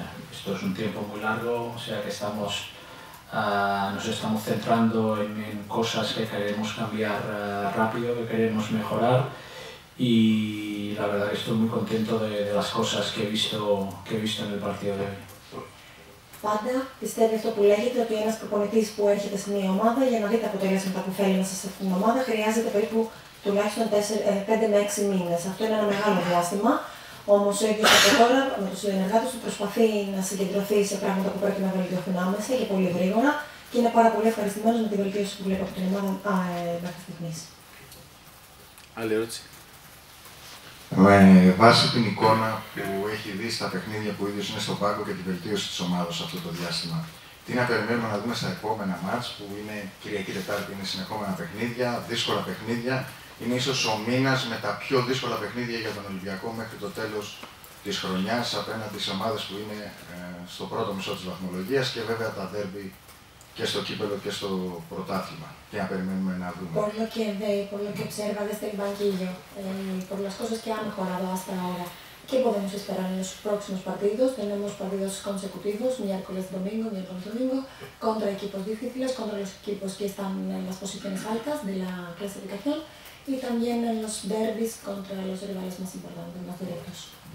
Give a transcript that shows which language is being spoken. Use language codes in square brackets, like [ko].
[es] Esto es un tiempo muy largo, o sea que estamos, nos estamos centrando en cosas que queremos cambiar rápido, que queremos mejorar. Y la verdad que estoy muy contento de las cosas que he visto en el partido de hoy. [el] Πάντα πιστεύει αυτό που λέγεται ότι ένας προπονητής που έρχεται σε μια ομάδα για να δει τα αποτελέσματα που θέλει μέσα σε αυτήν την ομάδα χρειάζεται περίπου τουλάχιστον 5 με 6 μήνες. Αυτό είναι ένα μεγάλο διάστημα. Όμως ο ίδιος από τώρα με τους συνεργάτες του προσπαθεί να συγκεντρωθεί σε πράγματα που πρέπει να βελτιωθούν άμεσα και πολύ γρήγορα και είναι πάρα πολύ ευχαριστημένος με την βελτίωση που βλέπω από την ομάδα μέχρι στιγμής. Άλλη ερώτηση. Με βάση την εικόνα που έχει δει στα παιχνίδια που ίδιος είναι στον πάγκο και την βελτίωση της ομάδας αυτό το διάστημα, τι να περιμένουμε να δούμε στα επόμενα μάτς που είναι Κυριακή Τετάρτη, είναι συνεχόμενα παιχνίδια, δύσκολα παιχνίδια. Είναι ίσως ο μήνας με τα πιο δύσκολα παιχνίδια για τον Ολυμπιακό μέχρι το τέλος της χρονιάς απέναντι σε ομάδες που είναι στο πρώτο μισό της βαθμολογίας και βέβαια τα ντέρμπι και στο κύπελλο και στο πρωτάθλημα. Τι να περιμένουμε να δούμε. [es] Por lo que veo, por lo que observa desde el banquillo, por las cosas que ha mejorado hasta ahora, ¿qué podemos esperar en los próximos partidos? Tenemos partidos consecutivos, miércoles, domingo, miércoles, domingo, contra equipos difíciles, contra los equipos que están en las posiciones altas de la clasificación y también en los derbis contra los rivales más importantes, más directos.